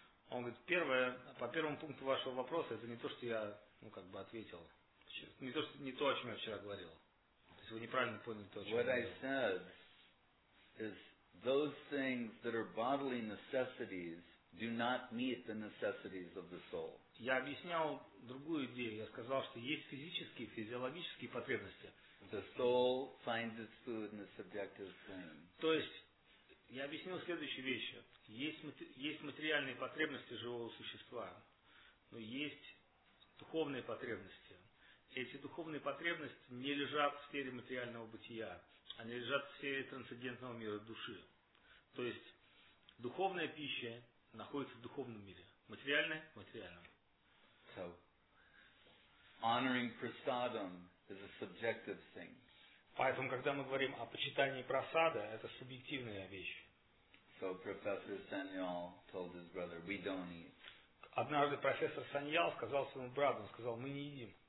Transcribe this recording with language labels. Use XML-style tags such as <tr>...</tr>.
<ru>Он говорит, первое, по первому пункту вашего вопроса, это не то, что я, ну, как бы, ответил. Не то, что, не то, о чем я вчера говорил. То есть вы неправильно поняли то, о чем</ru> <en>what</en> <ru>я говорил.</ru> <en>What I said is those things that are bodily necessities do not meet the necessities of the soul.</en> <ru>Я объяснял другую идею. Я сказал, что есть физические, физиологические потребности.</ru> <en>The soul finds its food in the subjective thing.</en> <ru>То есть, я объяснил следующие вещи. Есть материальные потребности живого существа, но есть духовные потребности. Эти духовные потребности не лежат в сфере материального бытия, они лежат в сфере трансцендентного мира души. То есть духовная пища находится в духовном мире. Материальная – в материальном.</ru> <en>So, honoring prasadam is a subjective thing.</en> <ru>Поэтому, когда мы говорим о почитании прасада, это субъективная вещь.</ru> <en>So Professor Sanyal told his brother, we don't eat.</en> <ru>Однажды профессор Саньял сказал своему брату, он сказал, мы не едим.</ru>